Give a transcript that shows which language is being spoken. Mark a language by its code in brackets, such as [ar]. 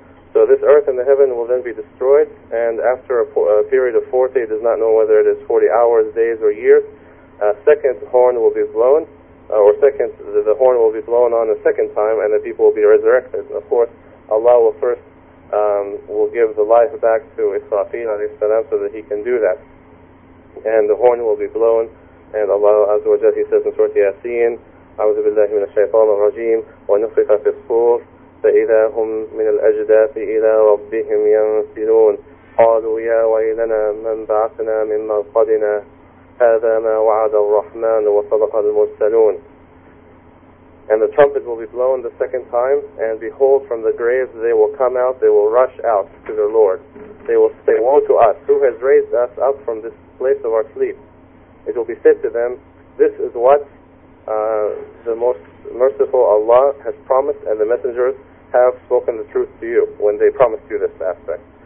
[en] So this earth and the heaven will then be destroyed, and after a period of 40, it does not know whether it is 40 hours, days, or years, a second horn will be blown, the horn will be blown on a second time, and the people will be resurrected. And of course, Allah will first will give the life back to Israfil alayhi salam so that he can do that. and the horn will be blown, and Allah Azza wa Jalla, he says in Surah Yasin, [ar] أعوذ بالله من الشيطان الرجيم ونفخ في الصور فإذا هم من الأجداث إلى ربهم ينسلون قالوا يا ويلنا من بعثنا من مرقدنا هذا ما وعد الرحمن وصدق المرسلون. [en] And the trumpet will be blown the second time, and behold, from the graves they will come out, they will rush out to their Lord. They will say, woe to us, who has raised us up from this place of our sleep? It will be said to them, this is what the most merciful Allah has promised, and the messengers have spoken the truth to you when they promised you this aspect.